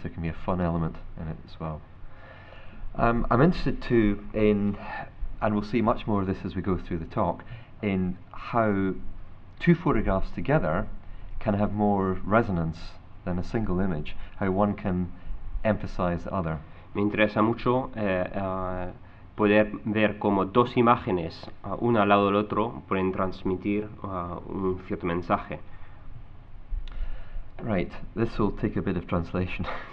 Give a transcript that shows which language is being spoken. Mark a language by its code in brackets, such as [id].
[en] There can be a fun element in it as well. I'm interested too in, and we'll see much more of this as we go through the talk, in how two photographs together can have more resonance than a single image, how one can emphasize the other. [es] Me interesa mucho poder ver cómo dos imágenes, una al lado del otro, pueden transmitir un cierto mensaje. [en] Right, this will take a bit of translation.